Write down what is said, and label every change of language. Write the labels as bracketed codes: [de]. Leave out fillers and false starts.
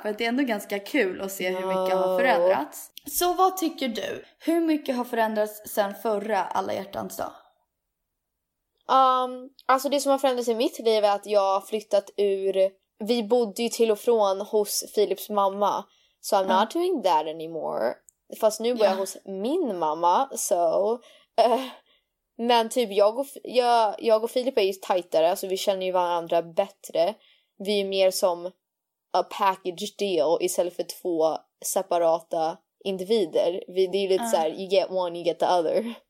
[sv] För att det är ändå ganska kul att se hur mycket har förändrats. Så vad tycker du? Hur mycket har förändrats sedan förra Alla hjärtans dag? Alltså det som har förändrats i mitt liv är att jag har flyttat ur... Vi bodde ju till och från hos Philips mamma. [en] So I'm not doing that anymore. [sv] Fast nu bor jag hos min mamma. [en] So... [sv] Men typ jag och Filip är ju tajtare, så vi känner ju varandra bättre. Vi är mer som [en] a package deal [sv] istället för två separata individer. Det är ju lite så här, [en] you get one, you get the other.